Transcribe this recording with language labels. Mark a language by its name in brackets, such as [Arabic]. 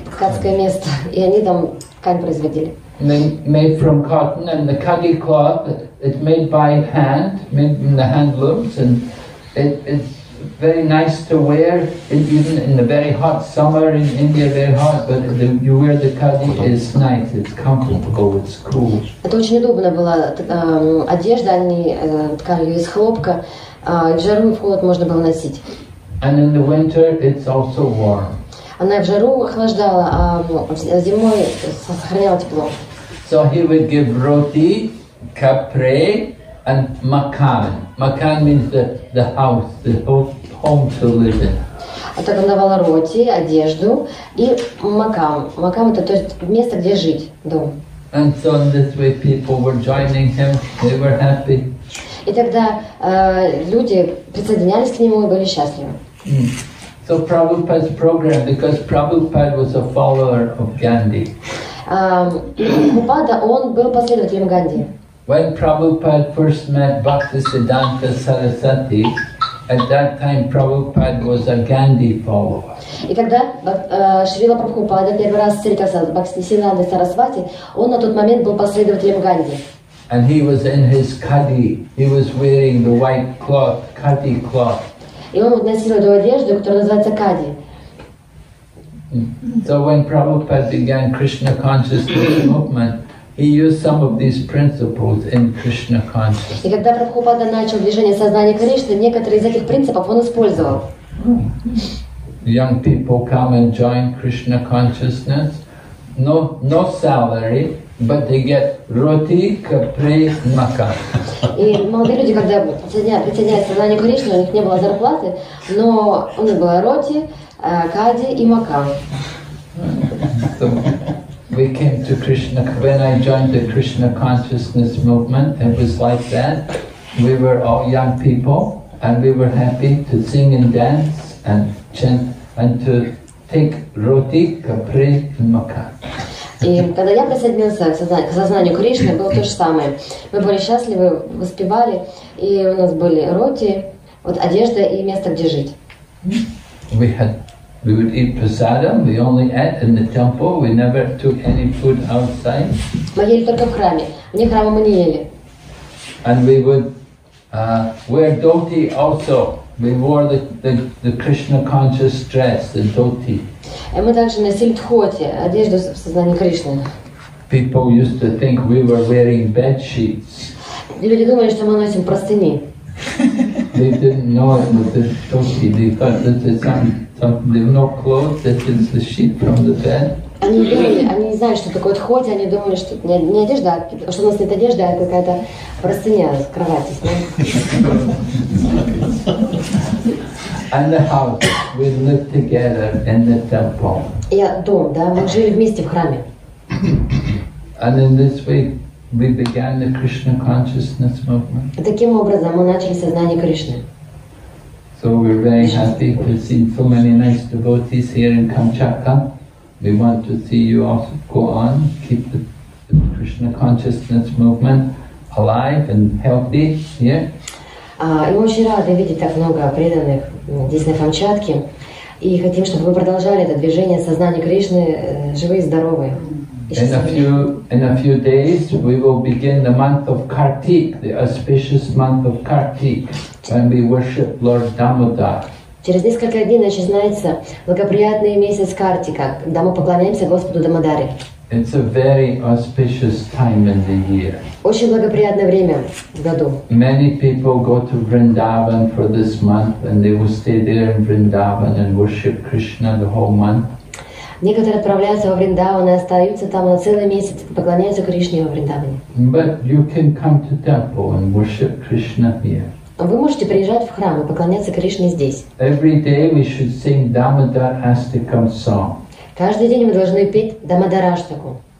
[Russian] Ткацкое место, и они там ткань производили. [English] Made from cotton and the khadi cloth. It's made by hand, made in the hand looms, and it's very nice to wear. Even in the very hot summer in India, very hot, but you wear the khadi, it's nice, it's comfortable, it's cool. [Russian] Это очень удобно было. Одежда они ткали из хлопка, в жару и в холод можно было носить. [English] And in the winter, it's also warm. [Russian] Она в жару охлаждала, а зимой сохраняла тепло. [English] So he would give roti, kapre, and makan. Makan means the house, the home to live in. [Russian] А так он давал роти, одежду и макам. Макам это то есть место, где жить, дом. [English] And so in this way, people were joining him. They were happy. [Russian] И тогда люди присоединялись к нему и были счастливы. [English] So Prabhupada's program, because Prabhupada was a follower of Gandhi. [Russian] Прабхупада, он был последователем Ганди. [English] When Prabhupada first met Bhaktisiddhanta Sarasvati, at that time Prabhupada was a Gandhi follower. [Russian] И когда Шрила Прабхупада первый раз встретился с Бхактисиддханта Сарасвати, он на тот момент был последователем Ганди. [English] And he was in his khadi. He was wearing the white cloth, khadi cloth. [Russian] И он носил эту одежду, которая называется кади. [English] So when Prabhupada began Krishna consciousness movement, he used some of these principles in Krishna consciousness. [Russian] И когда Прабхупада начал движение сознания Кришны, некоторые из этих принципов он использовал. [English] Young people come and join Krishna consciousness. No salary, but they get roti, kapri, makan. [Russian] И молодые люди, когда присоединяются к сознанию Кришны, у них не было зарплаты, но у них было роти, кади и макан. [English] So we came to Krishna. When I joined the Krishna consciousness movement, it was like that. We were all young people, and we were happy to sing and dance and chant and to take roti, kapri, and makan. [Russian] И когда я присоединился к сознанию Кришны, было то же самое. Мы были счастливы, воспевали, и у нас были роти, вот одежда и место, где жить. [English] We would eat prasadam. We only ate in the temple. We never took any food outside. [Russian] Мы ели только в храме. Вне храма мы не ели. [English] And we would wear dhoti also. We wore the Krishna conscious dress, the dhoti. [Russian] Мы также носили дхоти, одежду в сознании Кришны. [English] People used to think we were wearing bed sheets. [Russian] Люди думали, что мы носим простыни. [English] They didn't know it was the dhoti. They thought that it's no clothes, that it's the sheet from the bed. [Russian] Они не знали, что такое дхоти, они думали, что не одежда, что у нас нет одежды, а какая-то простыня с кровати. [English] And the house, we lived together in the temple. [Russian] Я дом, да, мы жили вместе в храме. [English] And in this way, we began the Krishna consciousness movement. [Russian] Таким образом мы начали сознание Кришны. [English] So we're very happy to see so many nice devotees here in Kamchatka. We want to see you also go on, keep the Krishna consciousness movement alive and healthy here. [Russian] И мы очень рады видеть так много преданных здесь на Камчатке. И хотим, чтобы вы продолжали это движение сознания Кришны живые и здоровые. [English] In a few days we will begin the month of Kartik, the auspicious month of Kartik, when we worship Lord Damodar. [Russian] Через несколько дней начинается благоприятный месяц Картика, когда мы поклоняемся Господу Дамодаре. [English] It's a very auspicious time in the year. [Russian] Очень благоприятное время в году. [English] Many people go to Vrindavan for this month, and they will stay there in Vrindavan and worship Krishna the whole month. [Russian] Некоторые отправляются во Вриндаван и остаются там на целый месяц, поклоняются Кришне во Вриндаване. [English] But you can come to temple and worship Krishna here. [Russian] Вы можете приезжать в храм и поклоняться Кришне здесь. [English] Every day we should sing Damodar Astikam song. [Russian] Каждый день мы должны петь Дамодараштаку.